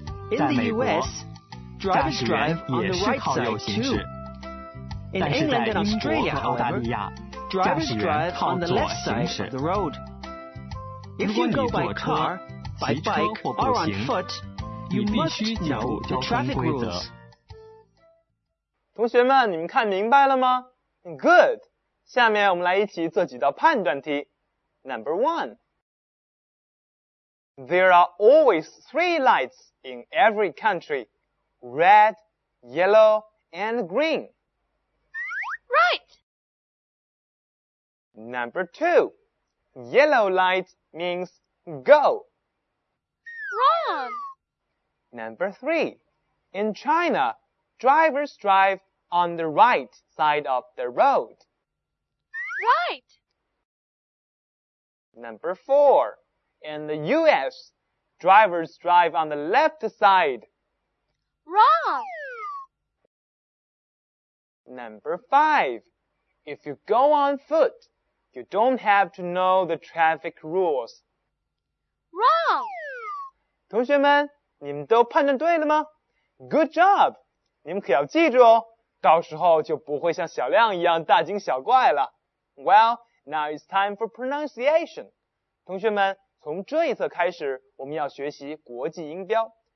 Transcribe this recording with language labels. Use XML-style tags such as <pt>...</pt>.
<en>In the US, drivers drive on the right side too. In England and Australia, however, drivers drive on the left side of the road. If you go by car, by bike, or on foot, you must know the traffic rules.</en> <zh>同学们，你们看明白了吗？</zh> <en>Good.</en> <zh>下面我们来一起做几道判断题。</zh> <en>Number one. There are always three lights in every country. Red, yellow, and green. Right. Number two. Yellow light means go. Wrong. Number three. In China, drivers drive on the right side of the road. Right. Number four. In the U.S., drivers drive on the left side. Wrong. Number five. If you go on foot, you don't have to know the traffic rules. Wrong.</en> <zh>同学们，你们都判断对了吗？</zh> <en>Good job!</en> <zh>你们可要记住哦，到时候就不会像小亮一样大惊小怪了。</zh> <en>Well, now it's time for pronunciation.</en> <zh>同学们，从这一册开始，我们要学习国际音标。</zh>